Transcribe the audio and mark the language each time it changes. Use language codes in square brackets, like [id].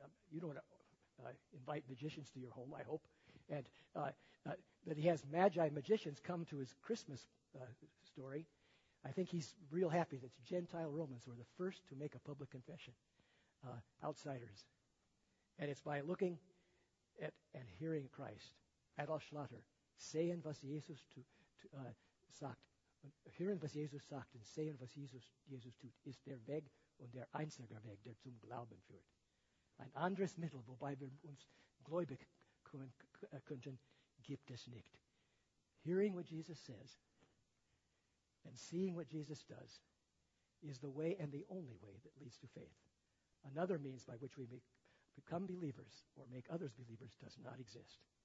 [en] You don't want to invite magicians to your home, I hope. And that he has magi, magicians, come to his Christmas story. I think he's real happy that Gentile Romans were the first to make a public confession, outsiders. And it's by looking at and hearing Christ, [de] Adolf Schlatter, sehen was Jesus sagt, hearing was Jesus sagt and sehen was Jesus tut, ist der Weg und der einzige Weg, der zum Glauben führt. Ein anderes Mittel, wobei wir uns gläubig könnten, gibt es nicht. [en] Hearing what Jesus says and seeing what Jesus does is the way and the only way that leads to faith. Another means by which we may become believers or make others believers does not exist.